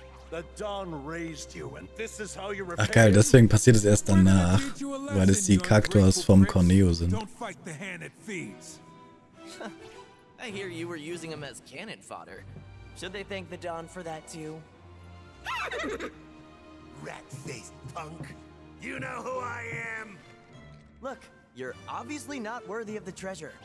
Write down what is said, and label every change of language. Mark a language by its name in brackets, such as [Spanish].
[English] The Dawn raised you and this is how you repay. [German] Ach geil, deswegen passiert es erst danach, weil es die Kaktus vom Corneo sind. [English] Don't fight the hand it feeds. I hear you were using them as cannon fodder. Should they thank the Dawn for that too? Rat-faced punk. You know who I am. Look, you're obviously not worthy of the treasure.